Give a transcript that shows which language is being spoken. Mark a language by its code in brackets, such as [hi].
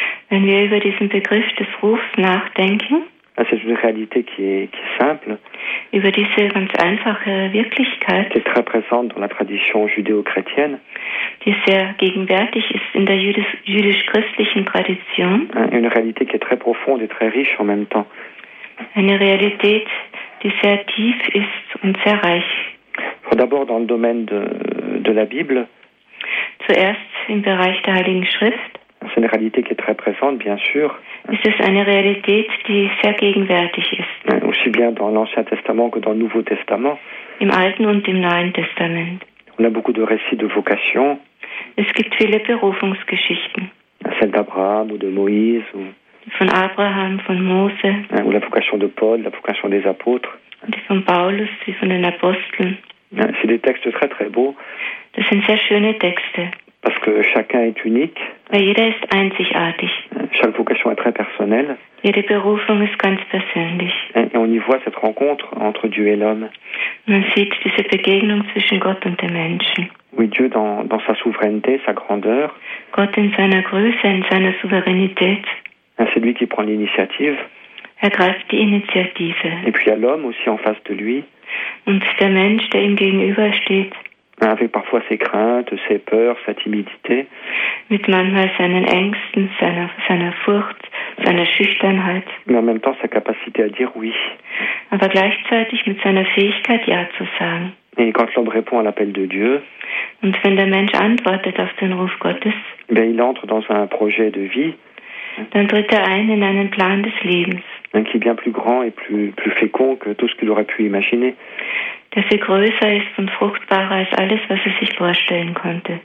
[de] wenn wir über diesen Begriff des Rufs nachdenken, [fr] c'est une réalité qui est simple, [de] über diese ganz einfache Wirklichkeit, [fr] qui est très présente dans la tradition judéo-chrétienne, [de] die sehr gegenwärtig ist in der jüdisch-christlichen Tradition, [fr] une réalité qui est très profonde et très riche en même temps, [de] eine Realität, die sehr tief ist und sehr reich. [fr] D'abord dans le domaine de la Bible. [de] Zuerst im Bereich der Heiligen Schrift. [fr] C'est une réalité qui est très présente, bien sûr. [de] Ist es eine Realität, die sehr gegenwärtig ist. [fr] Aussi bien dans l'Ancien Testament que dans le Nouveau Testament. [de] Im Alten und im Neuen Testament. [fr] On a beaucoup de récits de vocation. [de] Es gibt viele Berufungsgeschichten. [fr] Celle d'Abraham ou de Moïse. [de] Von Abraham, von Mose. [fr] Ou la vocation de Paul, la vocation des apôtres. [de] Die von Paulus, die von den Aposteln. [fr] C'est des textes très très beaux. [de] Das sind sehr schöne Texte. [fr] Parce que chacun est unique. [de] Weil jeder ist einzigartig. [fr] Chaque vocation est très personnelle. [de] Jede Berufung ist ganz persönlich. [fr] Et on y voit cette rencontre entre Dieu et l'homme. [de] Man sieht diese Begegnung zwischen Gott und dem Menschen. [fr] Oui, Dieu dans sa souveraineté, sa grandeur. [de] Gott in seiner Größe, in seiner Souveränität. [fr] C'est lui qui prend l'initiative. [de] Er greift die Initiative. [fr] Et puis il y a l'homme aussi en face de lui. [de] Und der Mensch, der ihm gegenübersteht. [fr] Avec parfois ses craintes, ses peurs, sa timidité. [de] Mit manchmal seinen Ängsten, seiner Furcht, seiner Schüchternheit. [fr] Mais en même temps sa capacité à dire oui. [de] Aber gleichzeitig mit seiner Fähigkeit, ja zu sagen. [fr] Et quand l'homme répond à l'appel de Dieu. [de] Und wenn der Mensch antwortet auf den Ruf Gottes. [fr] Ben il entre dans un projet de vie. [de] Dann tritt ein in einen Plan des Lebens. [fr] Qui est bien plus grand et plus fécond que tout ce qu'il aurait pu imaginer. [de] Der viel größer ist und fruchtbarer als alles, was er sich vorstellen konnte.